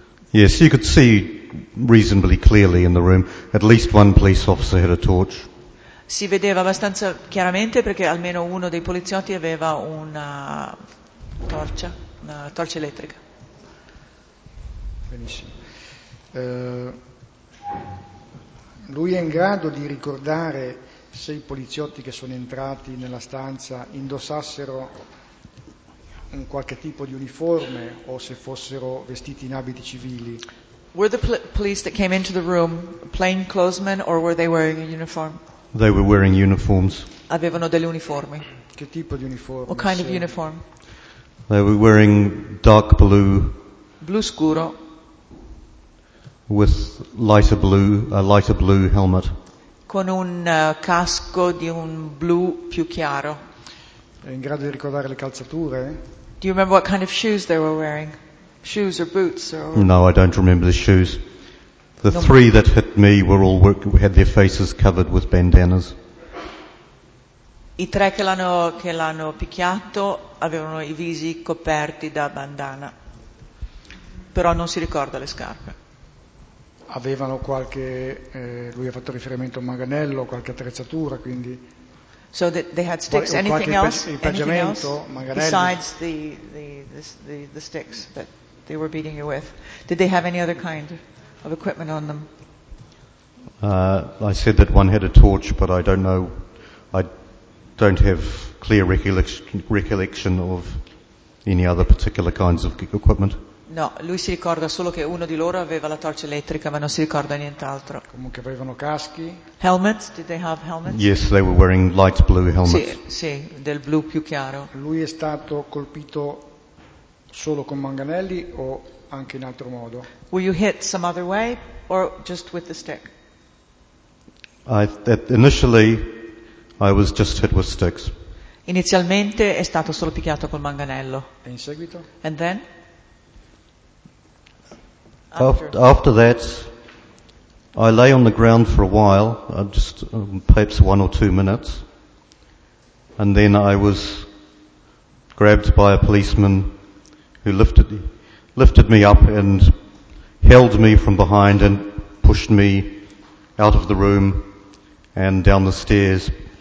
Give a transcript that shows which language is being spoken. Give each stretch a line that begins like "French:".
English: Yes, you could see reasonably clearly in the room. At least one police officer had a torch.
Italian: Si vedeva abbastanza chiaramente perché almeno uno dei poliziotti aveva una torcia elettrica. Benissimo. Lui è in grado di ricordare se i poliziotti che sono entrati nella stanza indossassero un qualche tipo di uniforme o se fossero vestiti in abiti civili?
English: Were the police that came into the room plain clothes men or were they wearing a uniform? They were wearing uniforms.
Italian: Avevano delle uniformi. Che tipo di uniforme?
English: What kind of uniform? They were wearing dark blue.
Italian: Blu scuro.
English: With lighter blue, a lighter blue helmet.
Italian: Con un casco di un blu più chiaro. È in grado di ricordare le calzature?
English: Do you remember what kind of shoes they were wearing? Shoes or boots or? No, I don't remember the shoes. The three that hit me were all had their faces covered with bandanas.
Italian: I tre che l'hanno picchiato avevano i visi coperti da bandana. Però non si ricorda le scarpe. Avevano qualche lui ha fatto riferimento a un manganello, qualche attrezzatura, quindi.
English: So that they had sticks. Anything else?
Italian: Equipaggiamento, manganelli.
English: Besides the sticks that they were beating you with, did they have any other kind of equipment on them? I said that one had a torch, but I don't know. I don't have clear recollection of any other particular kinds of equipment.
Italian: No, lui si ricorda solo che uno di loro aveva la torcia elettrica, ma non si ricorda nient'altro. Comunque avevano caschi.
English: Helmets? Did they have helmets? Yes, they were wearing light blue helmets.
Italian: Sì, del blu più chiaro. Lui è stato colpito solo con manganelli o anche in altro modo?
English: Were you hit some other way or just with the stick? Initially I was just hit with sticks.
Italian: Inizialmente è stato solo picchiato col manganello. E in seguito?
English: And then? After that, I lay on the ground for a while, perhaps 1 or 2 minutes, and then I was grabbed by a policeman who lifted me up and held me from behind and pushed me out of the room and down the stairs.